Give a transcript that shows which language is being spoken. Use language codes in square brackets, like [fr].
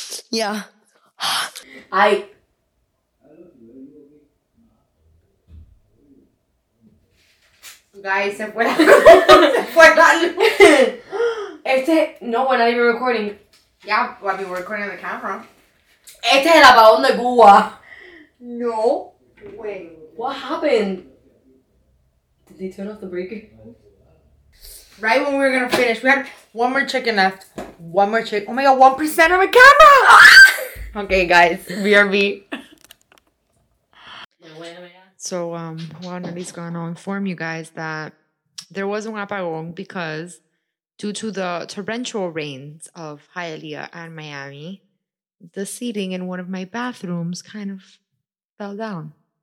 [en] Yeah. I Guys, [es] se fue la luz. Se fue la luz. [en] No, we're not even recording. Yeah, well, I mean, we're recording on the camera. [es] Este es el apagón de Cuba. [en] No way. What happened? Did they turn off the breaker? Right when we were gonna finish, we had one more chicken left. One more chicken. Oh my god, 1% of my camera! Okay, guys, BRB. So, well, Nelly's gonna inform you guys that there was an apagón because due to the torrential rains of Hialeah and Miami, the seating in one of my bathrooms kind of fell down.